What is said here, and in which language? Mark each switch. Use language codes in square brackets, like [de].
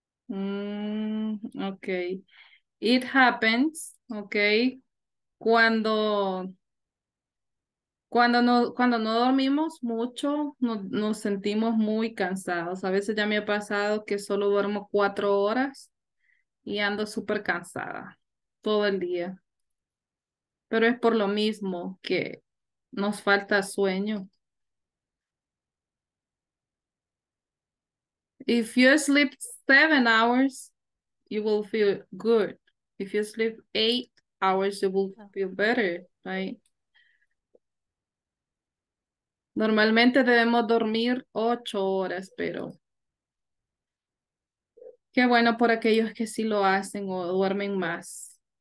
[en] Okay, it happens, okay, [es] cuando no dormimos mucho, nos sentimos muy cansados. A veces ya me ha pasado que solo duermo 4 horas y ando súper cansada todo el día. Pero es por lo mismo que nos falta sueño. [en] If you sleep 7 hours, you will feel good. If you sleep 8 hours, you will feel better, right? [es] Normalmente debemos dormir 8 horas, pero qué bueno por aquellos que sí lo hacen o duermen más.